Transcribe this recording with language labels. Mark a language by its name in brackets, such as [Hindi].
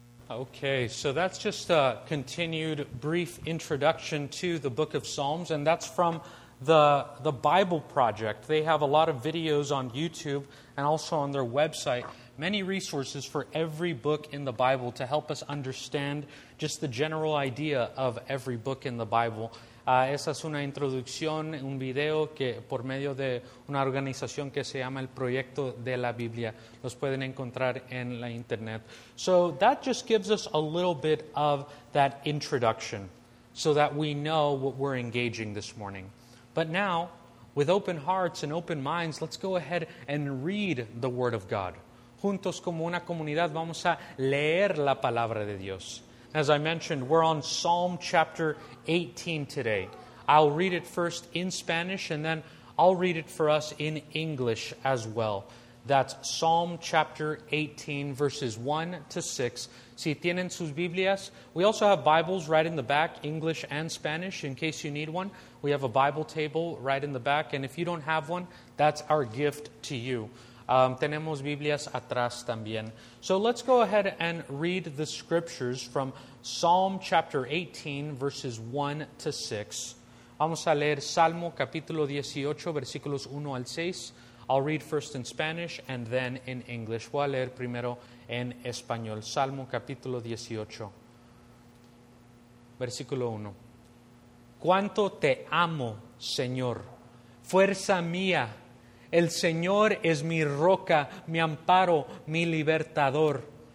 [English] Okay, so that's just a continued brief introduction to the book of Psalms, and that's from the Bible Project. They have a lot of videos on YouTube and also on their website, many resources for every book in the Bible to help us understand just the general idea of every book in the Bible. [Spanish] Esa es una introducción, un video que por medio de una organización que se llama el Proyecto de la Biblia. Los pueden encontrar en la internet. [English] So that just gives us a little bit of that introduction so that we know what we're engaging this morning. But now, with open hearts and open minds, let's go ahead and read the Word of God. [Spanish] Juntos como una comunidad, vamos a leer la Palabra de Dios. [English] As I mentioned, we're on Psalm chapter 18 today. I'll read it first in Spanish, and then I'll read it for us in English as well. That's Psalm chapter 18, verses 1 to 6. [Spanish] Si tienen sus Biblias, [English] we also have Bibles right in the back, English and Spanish, in case you need one. We have a Bible table right in the back, and if you don't have one, that's our gift to you. [Spanish] Tenemos Biblias atrás también. [English] So let's go ahead and read the scriptures from Psalm chapter 18, verses 1 to 6. [Spanish] Vamos a leer Salmo capítulo 18, versículos 1 al 6. [English] I'll read first in Spanish and then in English. [Spanish] Voy a leer primero en español. Salmo capítulo 18, versículo 1. ¿Cuánto te amo, Señor? Fuerza mía, el Señor es mi roca, mi amparo, mi libertador.